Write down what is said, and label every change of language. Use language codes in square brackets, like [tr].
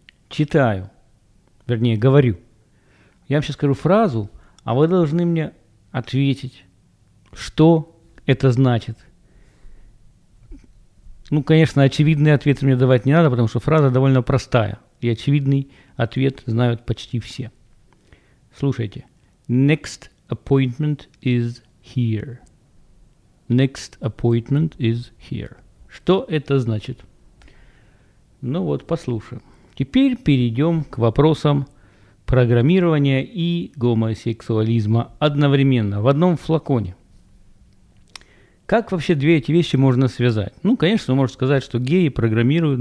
[ru] Читаю, вернее, говорю. Я вам сейчас скажу фразу, а вы должны мне ответить, что это значит. Ну, конечно, очевидный ответ мне давать не надо, потому что фраза довольно простая. И очевидный ответ знают почти все. Слушайте. [en] Next appointment is here. Next appointment is here. [ru] Что это значит? Ну вот, послушаем. Теперь перейдем к вопросам программирования и гомосексуализма одновременно, в одном флаконе. Как вообще две эти вещи можно связать? Ну, конечно, вы можете сказать, что геи программируют.